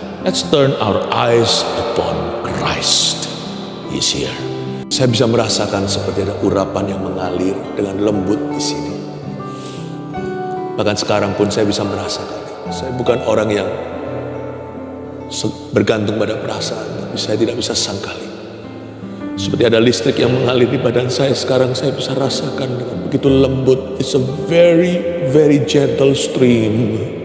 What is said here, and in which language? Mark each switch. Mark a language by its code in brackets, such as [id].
[en] Let's turn our eyes upon Christ. He's here. [id] Saya bisa merasakan seperti ada urapan yang mengalir dengan lembut di sini. Bahkan sekarang pun saya bisa merasakan. Saya bukan orang yang bergantung pada perasaan, tapi saya tidak bisa sangkali. Seperti ada listrik yang mengalir di badan saya, sekarang saya bisa rasakan dengan begitu lembut. [en] It's a very, very gentle stream.